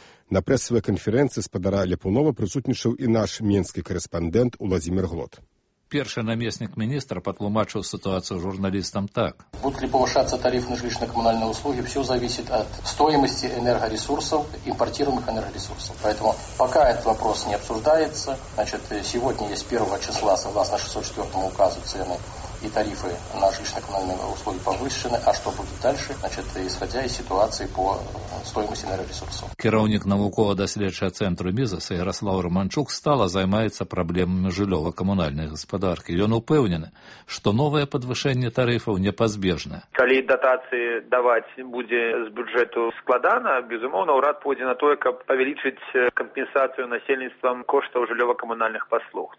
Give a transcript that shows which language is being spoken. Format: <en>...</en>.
<be>На прэсавай канферэнцыі спадара Ляпунова прысутнічаў і наш менскі карэспандэнт Уладзімір Глот. Першы намеснік міністра патлумачыў сітуацыю журналістам так. Будуць ли павышацца тарыфы на жылічна-камунальныя услугі, ўсё зависіць ад стоімасці энергарэсурсаў, імпартыруемых энергарэсурсаў.</be> <ru>Поэтому пока этот вопрос не обсуждается, значит, сегодня есть 1 числа, согласно 604 указу цены, и тарифы на жилищно-коммунальные услуги повышены, а что будет дальше, значит, исходя из ситуации по стоимости энергоресурсов.</ru> <be>Кіраўнік науково-даследчага центру бізнесу Ярослав Романчук стала займаецца праблемамі жыллёва-камунальнай гаспадаркі. Ён упэўнены, што новае падвышэнне тарыфаў непазбежна. Калі датацыі даваць будзе з бюджэту складана, безумоўна, ўрад пойдзе на тое, каб павялічыць кампенсацыю насельніцтвам коштаў жыллёва-камунальных паслуг.</be>